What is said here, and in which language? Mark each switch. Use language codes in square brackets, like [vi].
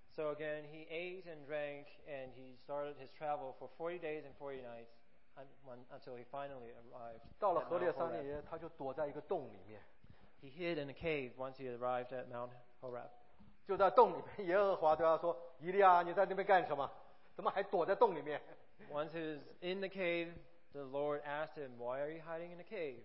[en] So again, he ate and drank and he started his travel for 40 days and 40 nights until he finally arrived. [zh] 到了何烈山里，他就躲在一个洞里面。 [en] He hid in a cave once he arrived at Mount Horeb. [zh] 就在洞里面，耶和华对他说：“以利亚，你在那边干什么？怎么还躲在洞里面？” [en] Once he was in the cave, the Lord asked him, why are you hiding in a cave?